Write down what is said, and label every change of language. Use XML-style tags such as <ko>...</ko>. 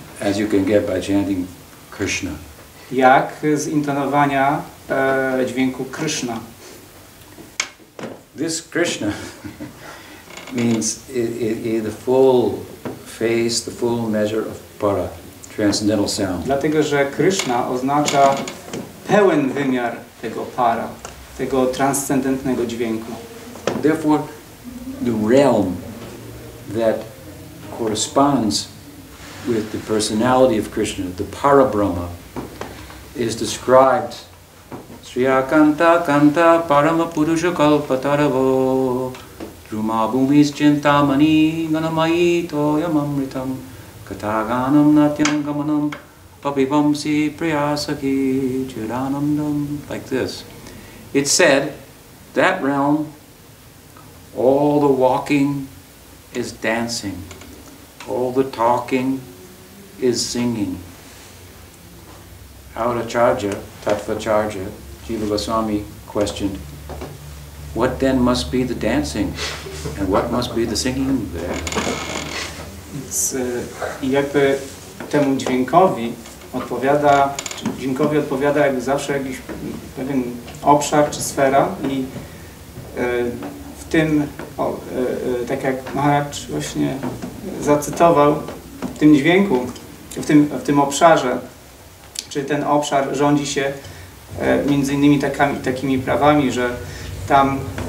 <en>As you can get by chanting Krishna.</en> <pl>Jak z intonowania dźwięku Krishna.</pl> <en>This Krishna means the full face, the full measure of para, transcendental sound.</en> <pl>Dlatego, że Krishna oznacza pełen wymiar tego para, tego transcendentnego dźwięku.</pl> <en>Therefore, the realm that corresponds with the personality of Krishna, the para brahma, is described</en> <sa>Sri Akanta Kanta Parama Purusha Kalpataravo Drumabhumis Chintamani Ganamai Toyamamritam Kataganam Natyangamanam Papivamsi Priyasaki Chiranandam.</sa> <en>Like this. It said, that realm, all the walking is dancing, all the talking is singing. Auracharya, Tattvacharya, Jiva Goswami questioned, what then must be the dancing and what must be the singing there?</en> <pl>Więc jakby temu dźwiękowi odpowiada, dźwiękowi odpowiada jakby zawsze jakiś pewien obszar czy sfera i w tym, tak jak Maharaj właśnie zacytował, w tym dźwięku, w tym obszarze, czy ten obszar rządzi się między innymi takimi prawami, że tam</pl>